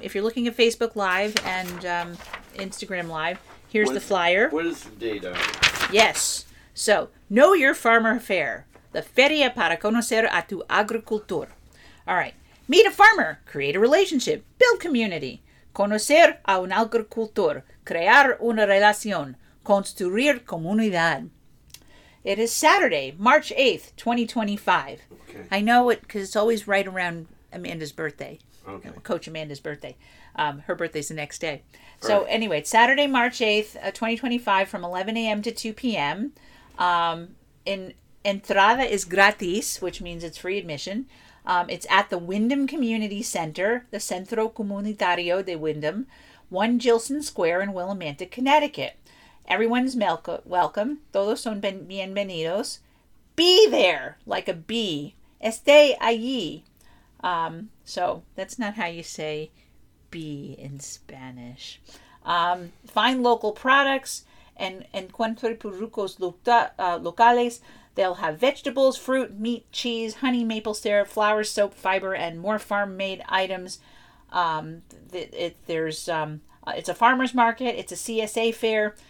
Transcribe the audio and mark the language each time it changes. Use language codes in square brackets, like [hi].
[en] If you're looking at Facebook Live and Instagram Live, here's the flyer. What is the data? Yes. So Know Your Farmer Fair, the [es] Feria para conocer a tu agricultor. [en] All right. Meet a farmer, create a relationship, build community. [es] Conocer a un agricultor, crear una relación. Construir comunidad. [en] It is Saturday, March 8th, 2025. Okay. I know it because it's always right around Amanda's birthday. Okay. You know, Coach Amanda's birthday. Her birthday's the next day. So anyway, it's Saturday, March 8th, 2025 from 11 a.m. to 2 p.m. [es] Entrada [en] is [es] gratis, [en] which means it's free admission. It's at the Wyndham Community Center, the Centro Comunitario de Wyndham, 1 Gilson Square in Willimantic, Connecticut. Everyone's welcome. [es] Todos son bienvenidos. [en] Be there, like a bee. [es] Esté allí. [en] So that's not how you say be in Spanish. Find local products and [es] encuentre productos locales. [en] They'll have vegetables, fruit, meat, cheese, honey, maple syrup, flour, soap, fiber, and more farm-made items. It's a farmer's market. It's a CSA fair.